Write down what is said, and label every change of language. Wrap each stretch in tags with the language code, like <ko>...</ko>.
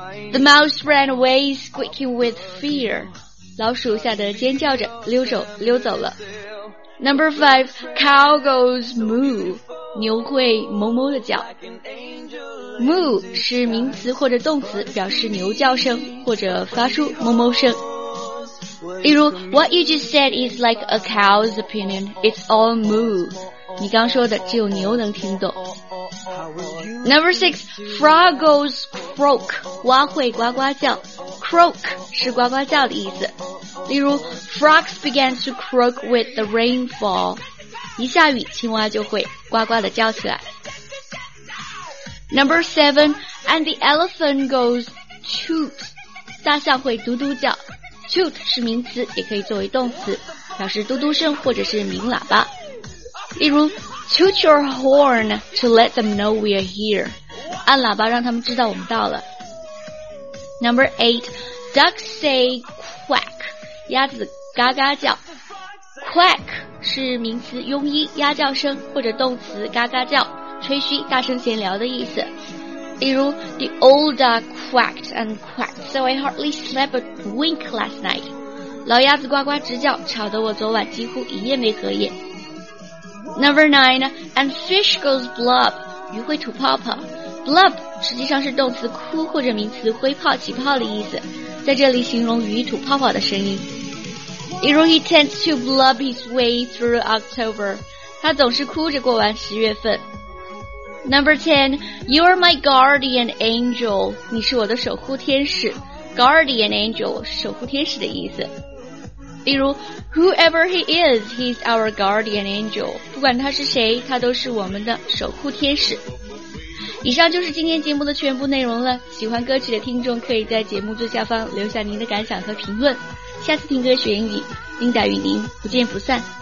<en>The mouse ran away squeaking with fear,</en> <zh>老鼠吓得尖叫着溜走了。</zh> <en>Number five, cow goes moo,</en> <zh>牛会哞哞的叫。 Moo 是名词或者动词，表示牛叫声或者发出哞哞声。例如</zh> <en>What you just said is like a cow's opinion, it's all moo,</en> <zh>你刚说的只有牛能听懂。</zh> <en>Number six, frog goes croak,</en> <zh>蛙会呱呱叫。 Croak 是呱呱叫的意思。例如</zh> <en>Frogs began to croak with the rainfall,</en> <zh>一下雨青蛙就会呱呱的叫起来。</zh> <en>Number seven, and the elephant goes toot,</en> <zh>大象会嘟嘟叫。 Toot 是名词，也可以作为动词，表示嘟嘟声或者是鸣喇叭。例如</zh> <en>Toot your horn to let them know we are here.</en> <zh>按喇叭让他们知道我们到了。</zh> <en>Number eight, ducks say quack.</en> <zh>鸭子嘎嘎叫。 Quack 是名词庸医鸭叫声，或者动词嘎嘎叫，吹嘘大声闲聊的意思。例如</zh> <en>The old duck quacked and quacked, so I hardly slept a wink last night.</en> <zh>老鸭子呱呱直叫，吵得我昨晚几乎一夜没合眼。</zh> <en>Number nine, and fish goes blub,</en> <zh>鱼会吐泡泡。 Blub 实际上是动词哭或者名词挥泡起泡的意思，在这里形容鱼吐泡泡的声音。例如</zh> <en>He tends to blub his way through October,</en> <zh>他总是哭着过完十月份。</zh> <en>Number ten, you are my guardian angel,</en> <zh>你是我的守护天使。 Guardian angel, 守护天使的意思。例如</zh> <en>Whoever he is, he's our guardian angel,</en> <zh>不管他是谁，他都是我们的守护天使。以上就是今天节目的全部内容了，喜欢歌曲的听众可以在节目最下方留下您的感想和评论。下次听歌学英语，Linda与您不见不散。</zh>